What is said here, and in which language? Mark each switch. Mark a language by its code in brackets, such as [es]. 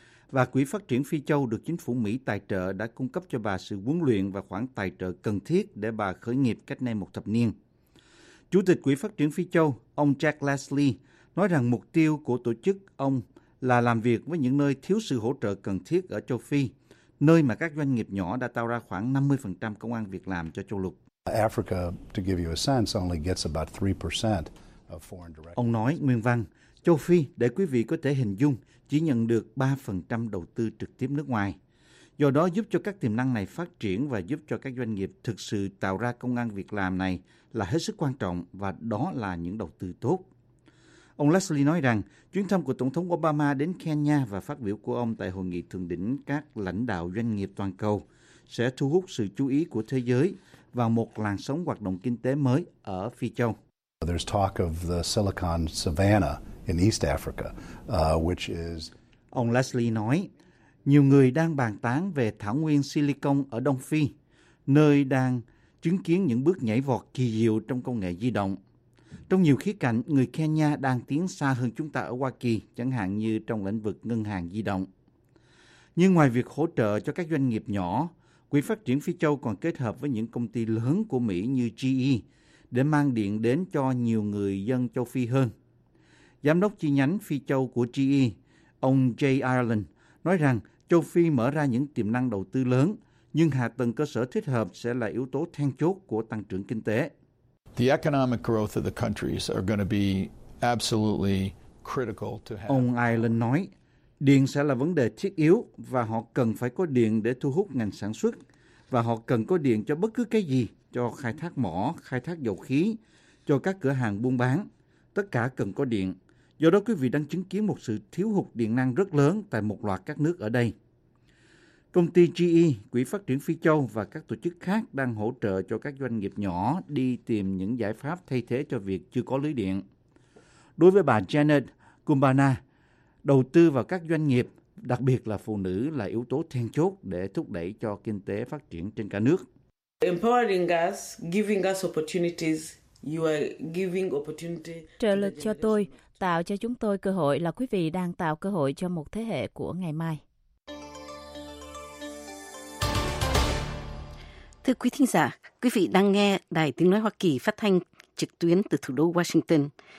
[vi] Và Quỹ Phát triển Phi Châu được chính phủ Mỹ tài trợ đã cung cấp cho bà sự huấn luyện và khoản tài trợ cần thiết để bà khởi nghiệp cách nay một thập niên. Chủ tịch Quỹ Phát triển Phi Châu, ông Jack Leslie, nói rằng mục tiêu của tổ chức ông là làm việc với những nơi thiếu sự hỗ trợ cần thiết ở châu Phi, nơi mà các doanh nghiệp nhỏ đã tạo ra khoảng 50% công ăn việc làm cho châu lục. [en] Africa, to give you a sense, only gets about 3% of foreign direct. [vi] Ông nói nguyên văn, châu Phi, để quý vị có thể hình dung, chỉ nhận được 3% đầu tư trực tiếp nước ngoài. Do đó giúp cho các tiềm năng này phát triển và giúp cho các doanh nghiệp thực sự tạo ra công ăn việc làm này là hết sức quan trọng và đó là những đầu tư tốt. Ông Leslie nói rằng chuyến thăm của Tổng thống Obama đến Kenya và phát biểu của ông tại hội nghị thượng đỉnh các lãnh đạo doanh nghiệp toàn cầu sẽ thu hút sự chú ý của thế giới vào một làn sóng hoạt động kinh tế mới ở Phi Châu. [en] There's talk of the Silicon Savannah in East Africa, which is. [vi] Ông Leslie nói, nhiều người đang bàn tán về thảo nguyên Silicon ở Đông Phi, nơi đang chứng kiến những bước nhảy vọt kỳ diệu trong công nghệ di động. Trong nhiều khía cạnh, người Kenya đang tiến xa hơn chúng ta ở Hoa Kỳ, chẳng hạn như trong lĩnh vực ngân hàng di động. Nhưng ngoài việc hỗ trợ cho các doanh nghiệp nhỏ, Quỹ Phát triển Phi Châu còn kết hợp với những công ty lớn của Mỹ như GE để mang điện đến cho nhiều người dân châu Phi hơn. Giám đốc chi nhánh Phi Châu của GE, ông Jay Ireland, nói rằng châu Phi mở ra những tiềm năng đầu tư lớn, nhưng hạ tầng cơ sở thích hợp sẽ là yếu tố then chốt của tăng trưởng kinh tế. [en] The economic growth of the countries are going to be absolutely critical to have. [vi] Ông Ireland nói, điện sẽ là vấn đề thiết yếu và họ cần phải có điện để thu hút ngành sản xuất và họ cần có điện cho bất cứ cái gì, cho khai thác mỏ, khai thác dầu khí, cho các cửa hàng buôn bán. Tất cả cần có điện. Do đó quý vị đang chứng kiến một sự thiếu hụt điện năng rất lớn tại một loạt các nước ở đây. Công ty GE, Quỹ Phát triển Phi Châu và các tổ chức khác đang hỗ trợ cho các doanh nghiệp nhỏ đi tìm những giải pháp thay thế cho việc chưa có lưới điện. Đối với bà Janet Kumbana, đầu tư vào các doanh nghiệp, đặc biệt là phụ nữ là yếu tố then chốt để thúc đẩy cho kinh tế phát triển trên cả nước. [en] Empowering us, giving us opportunities, you are giving opportunity. [vi] Trợ lực cho tôi, tạo cho chúng tôi cơ hội là quý vị đang tạo cơ hội cho một thế hệ của ngày mai. Thưa quý thính giả, quý vị đang nghe Đài Tiếng Nói Hoa Kỳ phát thanh trực tuyến từ thủ đô Washington.